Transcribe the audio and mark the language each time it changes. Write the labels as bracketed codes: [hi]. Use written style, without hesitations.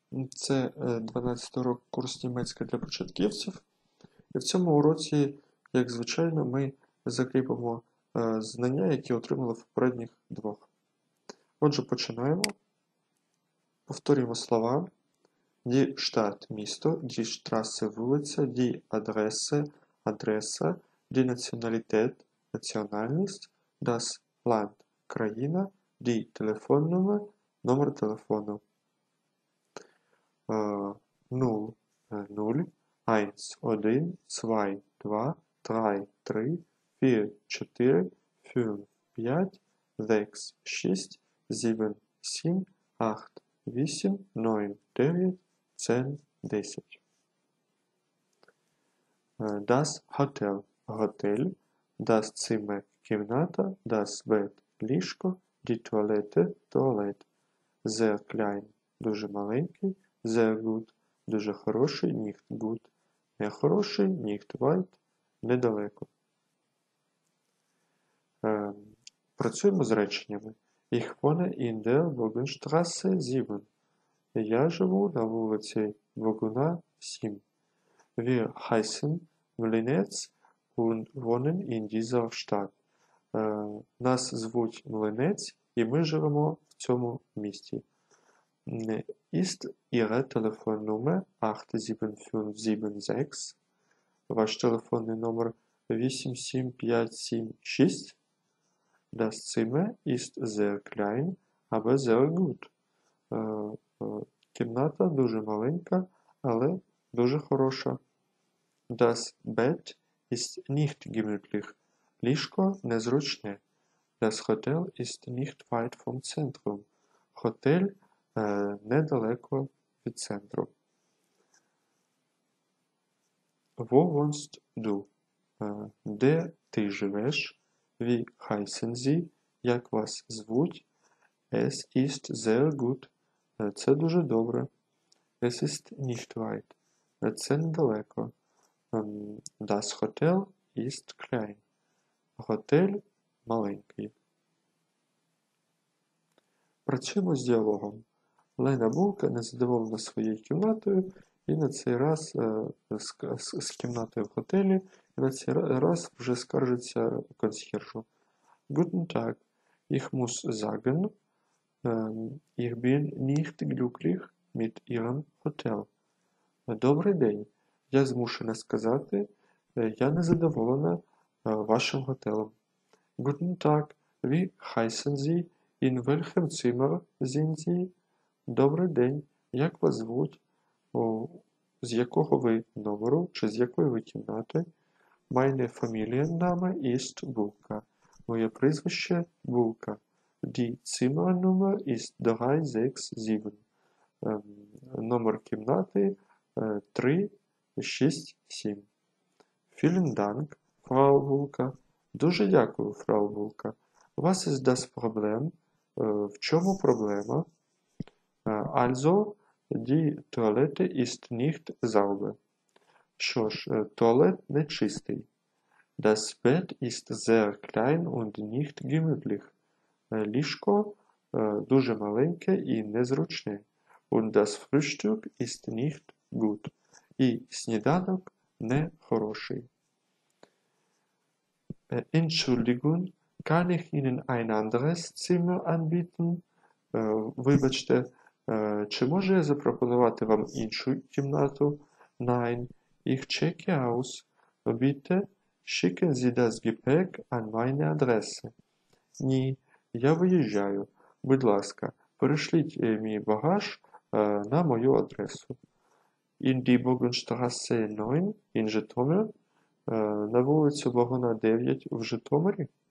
[uk] Це 12-й урок курсу німецька для початківців. І в цьому уроці, як звичайно, ми закріпимо знання, які отримали в попередніх двох. Отже, починаємо. Повторюємо слова. [de] Die Stadt – [uk] місто, [de] die Straße – [uk] вулиця, [de] die Adresse – [uk] адреса, [de] die Nationalität – [uk] національність, [de] das Land – [uk] країна, дій телефонного, номер телефону. 0, 1, 1, 2, 2, 3, 3, 4, 4, 5, 6, 6, 7, 7, 8, 8, 9, 9, 10, 10. [de] Das Hotel – готель, das Zimmer – кімната, das Bett – ліжко, die Toilette – туалет. Sehr klein – [uk] дуже маленький. [de] Sehr gut – [uk] дуже хороший. [de] Nicht gut – [uk] нехороший. [de] Nicht weit – [uk] недалеко. Працюємо з реченнями. [de] Ich wohne in der Wagenstraße 7. [uk] Я живу на вулиці Вагуна 7. [de] Wir heißen Mlinets und wohnen in dieser Stadt. [uk] Нас звуть Млинець. І ми живемо в цьому місті. [de] Ist Ihre Telefonnummer 87576? [uk] Ваш телефонний номер 87576? [de] Das Zimmer ist sehr klein, aber sehr gut. [uk] Кімната дуже маленька, але дуже хороша. [de] Das Bett ist nicht gemütlich. [uk] Ліжко незручне. [de] Das Hotel ist nicht weit vom Zentrum. [uk] Hotel недалеко від центру. [de] Wo wohnst du? [uk] Де ти живеш? [de] Wie heißen Sie? [uk] Як вас звуть? [de] Es ist sehr gut. [uk] Це дуже добре. [de] Es ist nicht weit. [uk] Це недалеко. [de] Das Hotel ist klein. [uk] Готель маленький. Працюємо з діалогом. Лена Булка незадоволена своєю кімнатою і на цей раз з кімнатою в готелі і на цей раз вже скаржиться консьєржу. [de] Guten Tag. Ich muss sagen, ich bin nicht glücklich mit Ihrem Hotel. [uk] Добрий день. Я змушена сказати, я незадоволена вашим готелем. [de] Guten Tag. Wie heißen Sie? In welchem Zimmer sind Sie? [uk] Добрий день, як вас звуть? З якого ви номеру чи з якої ви кімнати? [de] Meine Familienname ist Bulka. [uk] Моє прізвище – Bulka. [de] Die Zimmernummer ist 367. [uk] Номер кімнати – 367. [de] Vielen Dank, Frau Bulka. [uk] Дуже дякую, Frau Bulka. [de] Was ist das Problem? [uk] В чому проблема? [de] Also, die Toilette ist nicht sauber. [uk] Що ж, туалет не чистий. [de] Das Bett ist sehr klein und nicht gemütlich. [uk] Ліжко дуже маленьке і незручне. [de] Und das Frühstück ist nicht gut. [uk] І сніданок не хороший. [de] Entschuldigung. Kann ich Ihnen ein anderes Zimmer anbieten? [uk] Вибачте, чи можу я запропонувати вам іншу кімнату? [de] Nein, ich checke aus. Bitte schicken Sie das Gepäck an meine Adresse. [uk] Ні, я виїжджаю. Будь ласка, перешліть мій багаж на мою адресу. [de] In die Bogenstraße 9 in Житомир. [uk] На вулицю Богуна 9 в Житомирі.